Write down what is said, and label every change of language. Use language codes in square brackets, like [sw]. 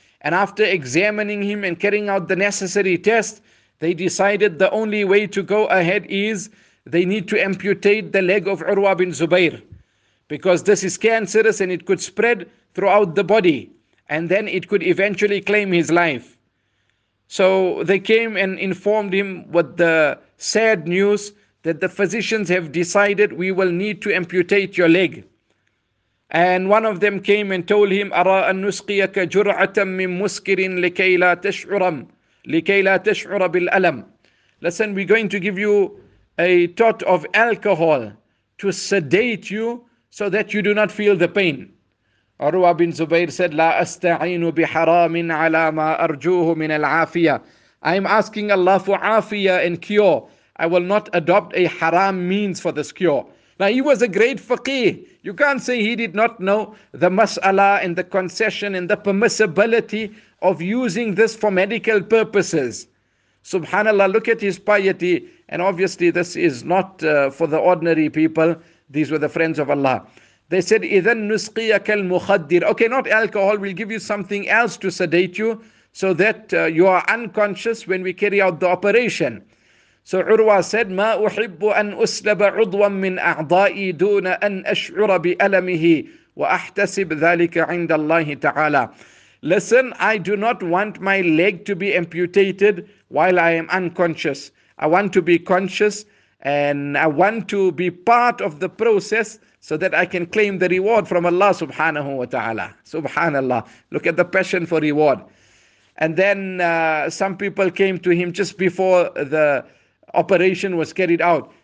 [en] And after examining him and carrying out the necessary test, they decided the only way to go ahead is they need to amputate the leg of Urwah bin Zubayr, because this is cancerous and it could spread throughout the body, and then it could eventually claim his life. So they came and informed him with the sad news that the physicians have decided we will need to amputate your leg. And one of them came and told him, [ar] أَرَىٰ أَن نُسْقِيَكَ جُرْعَةً مِّن مُسْكِرٍ لِكَيْ لَا تَشْعُرَ بِالْأَلَمِ. [en] Listen, we're going to give you a tot of alcohol to sedate you so that you do not feel the pain. Urwah bin Zubayr said, [ar] La astaeenu bi haramin ala ma arjuhu min al-afiyah. [en] I am asking Allah for afiyah and cure. I will not adopt a haram means for this cure. Now, he was a great faqih. You can't say he did not know the mas'ala and the concession and the permissibility of using this for medical purposes. Subhanallah, look at his piety. And obviously, this is not for the ordinary people. These were the friends of Allah. They said, [ar] إِذَن نُسْقِيَكَ الْمُخَدِّرِ. [en] Okay, not alcohol. We'll give you something else to sedate you so that you are unconscious when we carry out the operation. So Urwah said, [ar] مَا أُحِبُّ أَنْ أُسْلَبَ عُضْوًا مِّنْ أَعْضَائِي دُونَ أَنْ أَشْعُرَ بِأَلَمِهِ وَأَحْتَسِبْ ذَلِكَ عِنْدَ اللَّهِ تَعَالَى. [en] Listen, I do not want my leg to be amputated while I am unconscious. I want to be conscious, and I want to be part of the process so that I can claim the reward from Allah subhanahu wa ta'ala. Subhanallah. Look at the passion for reward. And then some people came to him just before the operation was carried out.